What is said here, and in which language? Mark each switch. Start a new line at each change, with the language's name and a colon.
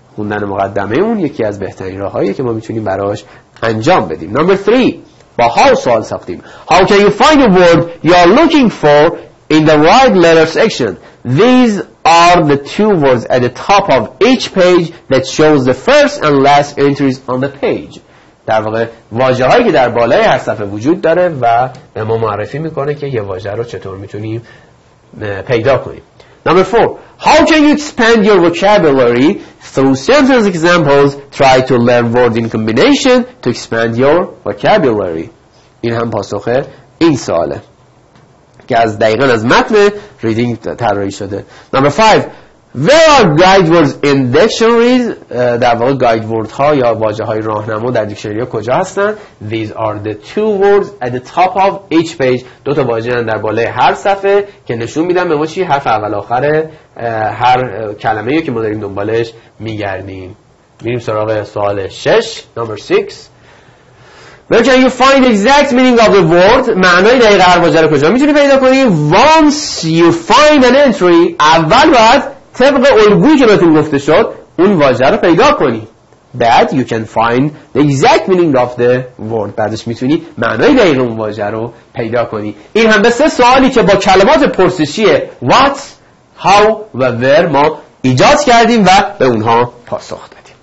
Persian: خوندن مقدمه اون یکی از بهترین راههایی که ما میتونیم براش انجام بدیم. Number three, با how سوال ساختیم.
English: How can you find a word you are looking for in the right letter section? These are the two words at the top of each page that shows the first and last entries on the page.
Persian: در واقع واژه هایی که در بالای هر صفحه وجود داره و به ما معرفی میکنه که یه واژه رو چطور میتونیم پیدا کنیم.
English: Number four, how can you expand your vocabulary through sentence examples? Try to learn words in combination to expand your vocabulary.
Persian: این هم پاسخ این سواله که از دقیقاً از متن ریدینگ طراحی شده.
English: Number five, where are guide words in dictionaries?
Persian: در واقع guide word ها یا واژه های راهنما در دیکشنری ها کجا هستن؟
English: These are the two words at the top of each page.
Persian: دو تا واژه هستن در بالای هر صفحه که نشون میدن به ما چی؟ حرف اول آخر هر کلمه ای که ما داریم دنبالش میگردیم. میریم سراغ سوال 6.
English: Number 6, where can you find exact meaning of the word?
Persian: معنای دقیق هر واژه رو کجا میتونی پیدا کنی؟
English: Once you find an entry,
Persian: اول باید طبق الگویی که بهتون گفته شد اون واژه رو پیدا کنی.
English: بعد you can find the exact meaning of the word.
Persian: بعدش میتونی معنای دقیق اون واژه رو پیدا کنی. این هم به سه سوالی که با کلمات پرسشی what, how و where ما ایجاد کردیم و به اونها پاسخ دادیم.